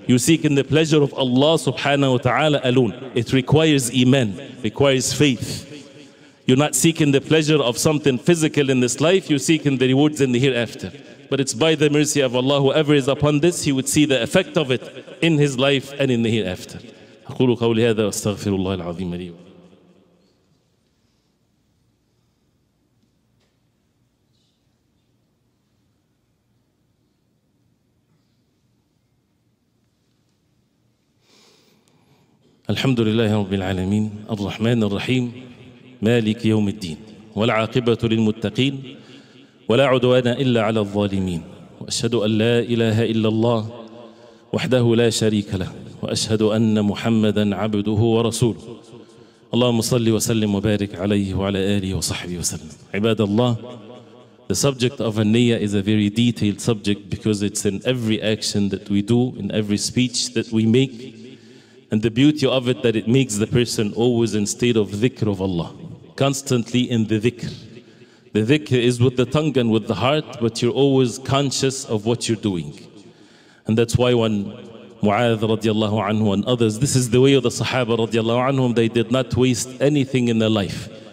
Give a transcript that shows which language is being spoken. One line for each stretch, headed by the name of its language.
English: You're seeking the pleasure of Allah subhanahu wa ta'ala alone. It requires iman, requires faith. You're not seeking the pleasure of something physical in this life, you're seeking the rewards in the hereafter. But it's by the mercy of Allah, whoever is upon this, he would see the effect of it in his life and in the hereafter.
Arabic: أقول قولي هذا وأستغفر الله العظيم لي. الحمد لله رب العالمين الرحمن الرحيم مالك يوم الدين والعاقبة للمتقين ولا عدوان إلا على الظالمين وأشهد أن لا إله إلا الله وحده لا شريك له وأشهد أن محمدًا عبده ورسوله اللهم صل وسلم وبارك عليه وعلى آله وصحبه وسلم عباد الله
English: The subject of an-niyyah is a very detailed subject because it's in every action that we do, in every speech that we make. And the beauty of it that it makes the person always in state of dhikr of Allah, constantly in the dhikr. The dhikr is with the tongue and with the heart, but you're always conscious of what you're doing. And that's why when Mu'adh radiallahu anhu and others, this is the way of the Sahaba radiallahu anhum, they did not waste anything in their life.